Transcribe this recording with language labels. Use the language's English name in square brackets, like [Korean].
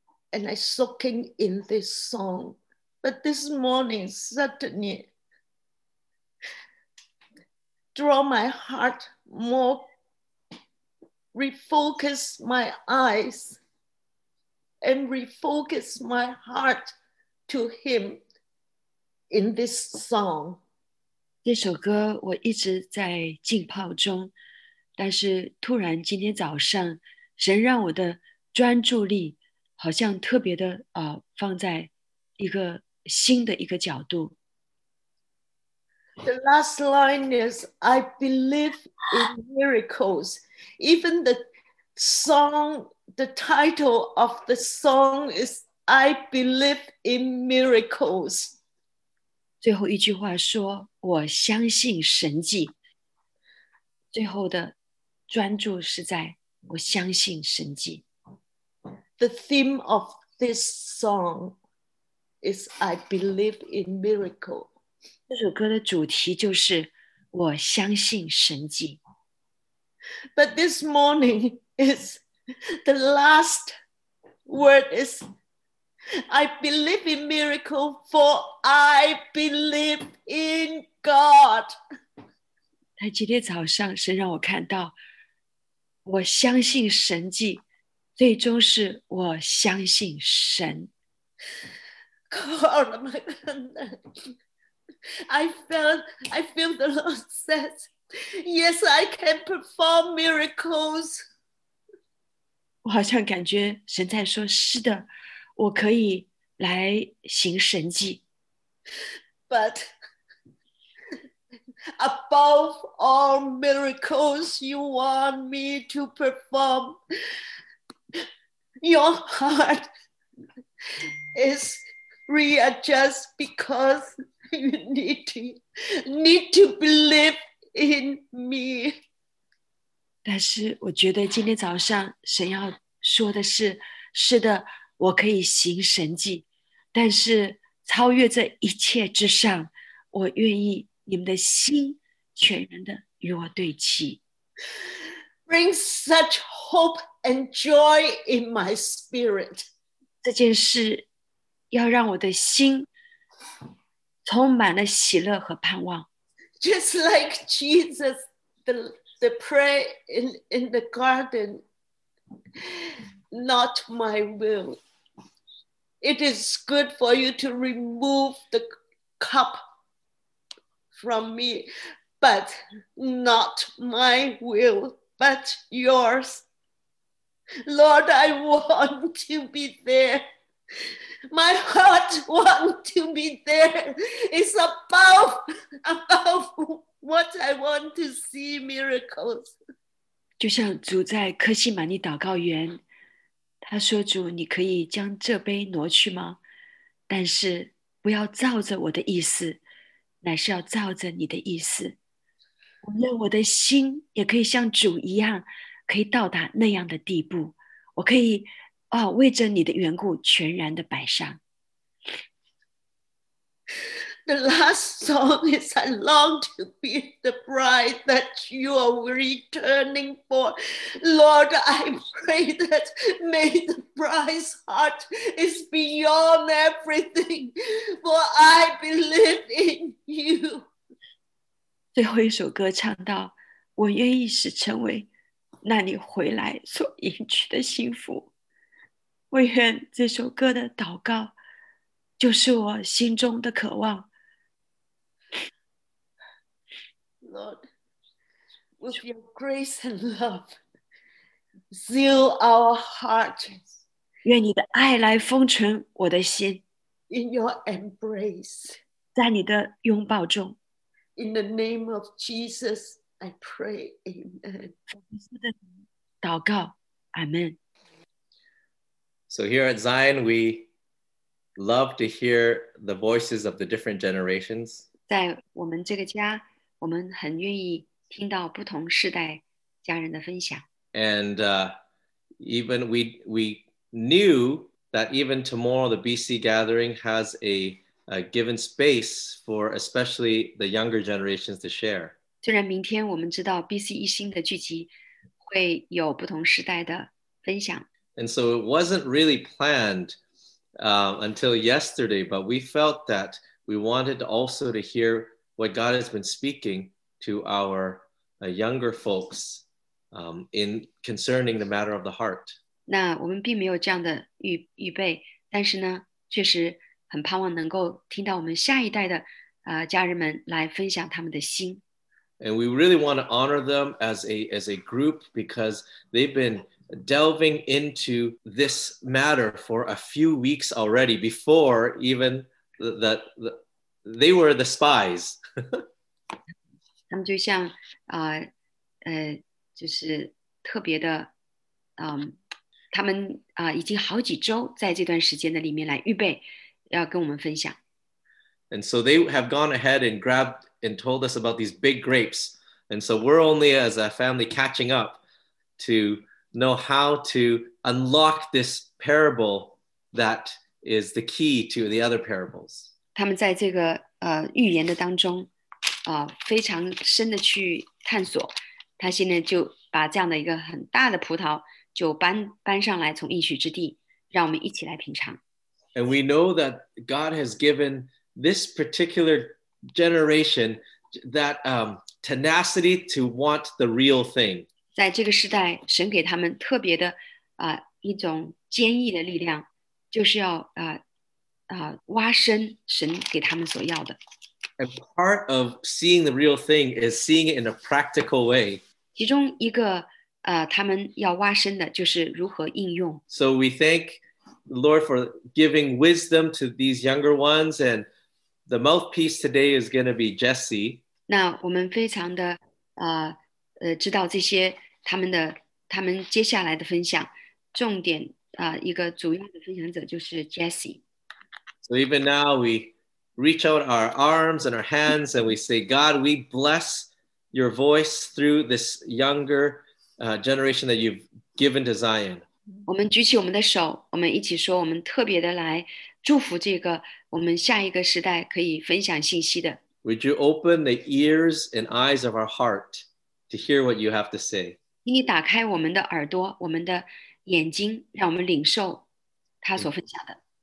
[English] And I'm soaking in this song, but this morning suddenly draw my heart more, refocus my eyes, and refocus my heart to Him in this song. [Chinese] 这首歌我一直在浸泡中，但是突然今天早上，神让我的专注力好像特别的放在一个新的一个角度。 [English] The last line is, I believe in miracles. Even the song, the title of the song is, I believe in miracles. [Chinese] 最后一句话说我相信神迹，最后的专注是在我相信神迹。 [English] The theme of this song, is I believe in miracle. [Chinese] 这首歌的主题就是我相信神迹。 [English] But this morning is the last word is I believe in miracle for I believe in God. [Chinese] 在今天早上神让我看到我相信神迹最终是我相信神。 [English] God, my goodness. I feel the Lord says, yes, I can perform miracles. [Chinese] 我好像感觉神在说，是的，我可以来行神迹。 [English] But above all miracles, you want me to perform. Your heart is readjust because you need to believe in me. [Chinese] 但是我觉得今天早上神要说的是，是的，我可以行神迹，但是超越这一切之上，我愿意你们的心全然的与我对齐。 [English] Bring such hope and joy in my spirit. [Chinese] 这件事要让我的心充满了喜乐和盼望。 [English] Just like Jesus, the prayer in the garden, not my will. It is good for you to remove the cup from me, but not my will. But yours, Lord, I want to be there. My heart wants to be there. It's above what I want to see miracles. [Chinese] 就像主在科西玛尼祷告园，他说：“主，你可以将这杯挪去吗？但是不要照着我的意思，乃是要照着你的意思。” 我愿我的心也可以像主一样，可以到达那样的地步。我可以啊，为着你的缘故，全然的摆上。 [English] The last song is I long to be the bride that you are returning for. Lord, I pray that may the bride's heart is beyond everything, for I believe in you. [Chinese] 最后一首歌唱到，我愿意是成为那你回来所迎娶的幸福。我愿这首歌的祷告就是我心中的渴望。 [English] Lord, with your grace and love, seal our hearts. [Chinese] 愿你的爱来封存我的心。 [English] In your embrace. [Chinese] 在你的拥抱中。 [English] In the name of Jesus, I pray, Amen. [Chinese] 祷告 Amen. [English] So here at Zion, we love to hear the voices of the different generations. [Chinese] 在我们这个家，我们很愿意听到不同世代家人的分享。 [English] And even we knew that even tomorrow the BC gathering has a given space for especially the younger generations to share. [Chinese] 虽然明天我们知道 BC 一星的聚集会有不同时代的分享。 [English] And so it wasn't really planned until yesterday, but we felt that we wanted also to hear what God has been speaking to our younger folks in concerning the matter of the heart. [Chinese] 那我们并没有这样的预备，但是呢，确实很盼望能够听到我们下一代的家人们来分享他们的心。 [English] And we really want to honor them as a group because they've been delving into this matter for a few weeks already before even they were the spies. [Chinese] 他们就像就是特别的他们已经好几周在这段时间的里面来预备。要跟我们分享。 [English] And so they have gone ahead and grabbed and told us about these big grapes. And so we're only as a family catching up to know how to unlock this parable that is the key to the other parables. [Chinese] 他们在这个预言的当中非常深的去探索，他现在就把这样的一个很大的葡萄就 搬上来，从应许之地，让我们一起来品尝。 [English] And we know that God has given this particular generation that tenacity to want the real thing. [Chinese] 在这个时代，神给他们特别的一种坚毅的力量，就是要挖深神给他们所要的。 [English] And part of seeing the real thing is seeing it in a practical way. [Chinese] 其中一个他们要挖深的就是如何应用。 [English] So we thank the Lord for giving wisdom to these younger ones, and the mouthpiece today is going to be Jesse. [Chinese] 那我们非常的知道这些他们接下来的分享，重点一个主要的分享者就是 Jesse。 [English] So even now we reach out our arms and our hands and we say, God, we bless your voice through this younger generation that you've given to Zion. [Chinese] 我们举起我们的手，我们一起说，我们特别的来祝福这个我们下一个时代可以分享信息的。 [English] Would you open the ears and eyes of our heart to hear what you have to say? [Chinese] 请你打开我们的耳朵，我们的眼睛，让我们领受他所分享的。